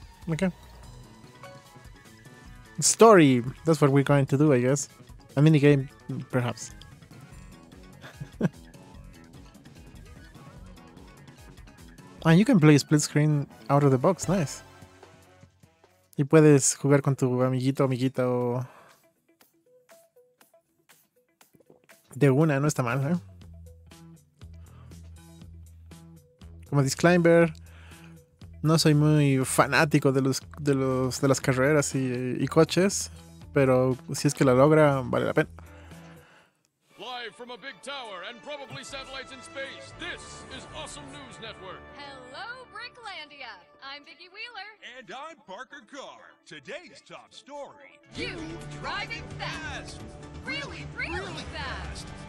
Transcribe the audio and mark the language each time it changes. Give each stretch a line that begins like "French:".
English: Okay. Story! That's what we're going to do, I guess. A mini game, perhaps. And you can play split screen out of the box, nice.
Spanish: Y puedes jugar con tu amiguito, amiguita o... De una, no está mal, ¿eh? Como disclaimer, no soy muy fanático de los de las carreras y coches, pero si es que la logra, vale la pena.
English: Live from a big tower and probably satellites in space. This is Awesome News Network. Hello, Bricklandia. I'm Vicky Wheeler. And I'm Parker Carr. Today's top story. You driving fast. Really, really fast.